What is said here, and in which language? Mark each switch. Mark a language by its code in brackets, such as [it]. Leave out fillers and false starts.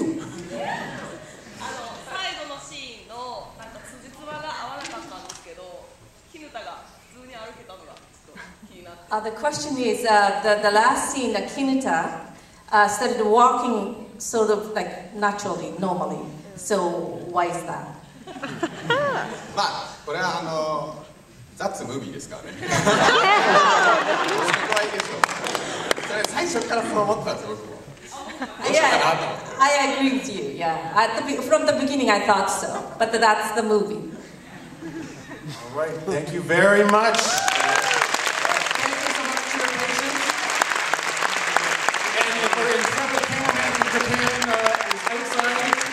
[ja] あの最後のシーンのなんか辻褄が合わなかったんですけど、キヌタが普通に歩けたのがちょっと気になって。 [en] The question is the last scene that Kinuta started walking sort of like naturally, normally. So why is that? [ja] まあこれはあの [en] That's a movie [ja] ですからね。怖いですよ。それ最初からそう思ったんですよ。 [en] Yeah, I agree with you. Yeah, from the beginning I thought so, but that's the movie. All right, thank you very much. Thank you so much for your patience. And the very incredible cameraman from Japan is outside.